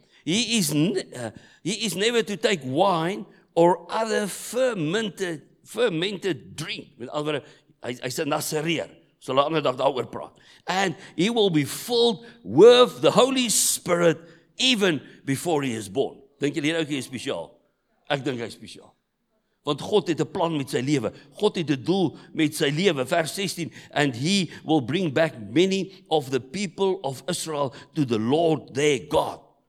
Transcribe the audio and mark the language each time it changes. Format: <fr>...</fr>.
<en>He is never to take wine or other fermented drink.</en> <af>Met ander woorde, hy's 'n Nasareer. So laat ander dag daaroor praat.</af> <en>And he will be filled with the Holy Spirit even before he is born.</en> <af>Dink julle ouetjie is spesiaal? Ek dink hy's spesiaal. Want God het 'n plan met sy lewe. God het 'n doel met sy lewe.</af> <en>Vers 16, and he will bring back many of the people of Israel to the Lord their God.</en>